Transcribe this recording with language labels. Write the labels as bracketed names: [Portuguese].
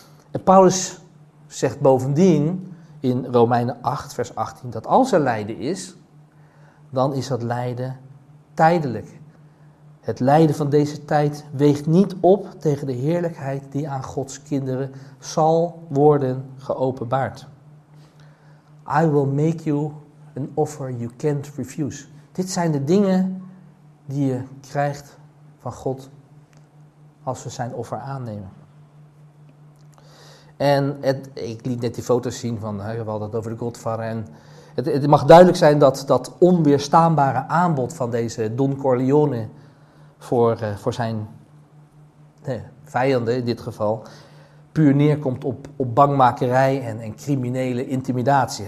[Dutch] En Paulus zegt bovendien in Romeinen 8 vers 18 dat als er lijden is, dan is dat lijden tijdelijk. Het lijden van deze tijd weegt niet op tegen de heerlijkheid die aan Gods kinderen zal worden geopenbaard. [English] I will make you an offer you can't refuse. [Dutch] Dit zijn de dingen die je krijgt van God als we zijn offer aannemen. En ik liet net die foto's zien van, we hadden het over de Godfather. En het mag duidelijk zijn dat onweerstaanbare aanbod van deze Don Corleone voor zijn vijanden in dit geval, puur neerkomt op bangmakerij en criminele intimidatie.